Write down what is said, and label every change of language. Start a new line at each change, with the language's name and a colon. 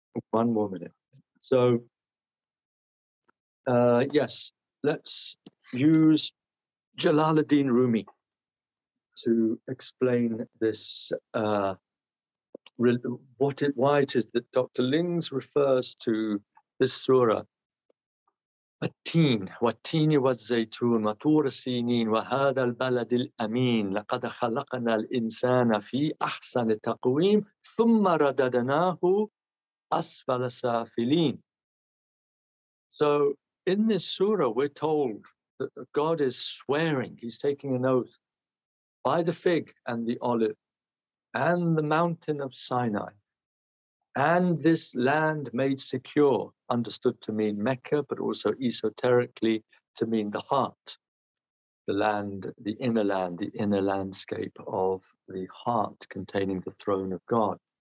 English: One more minute. So, yes, let's use Jalaluddin Rumi to explain this. Why it is that Dr. Lings refers to this surah
Arabic: التين والتين والزيتون وطور سينين وهذا البلد الأمين لقد خلقنا الإنسان في أحسن تقويم ثم رددناه أسفل سافلين.
English: So in this surah we're told that God is swearing, he's taking an oath by the fig and the olive and the mountain of Sinai and this land made secure, understood to mean Mecca, but also esoterically to mean the heart, the land, the inner landscape of the heart containing the throne of God.